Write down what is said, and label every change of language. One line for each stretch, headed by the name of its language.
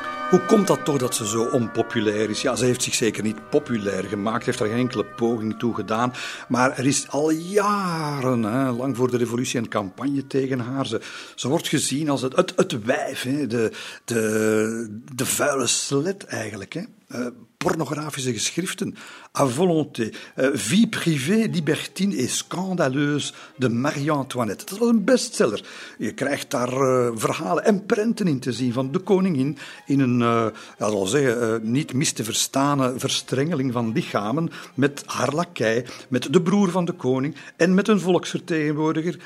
Dutch: Hoe komt dat toch dat ze zo onpopulair is? Ja, ze heeft zich zeker niet populair gemaakt, heeft er geen enkele poging toe gedaan. Maar er is al jaren, hè, lang voor de revolutie, een campagne tegen haar. Ze wordt gezien als het wijf, hè, de vuile slet eigenlijk. Hè. Pornografische geschriften,
French: à volonté, vie privée, libertine et scandaleuse de Marie-Antoinette.
Dutch: Dat was een bestseller. Je krijgt daar verhalen en prenten in te zien van de koningin in een, niet mis te verstane verstrengeling van lichamen met haar lakei, met de broer van de koning en met een volksvertegenwoordiger.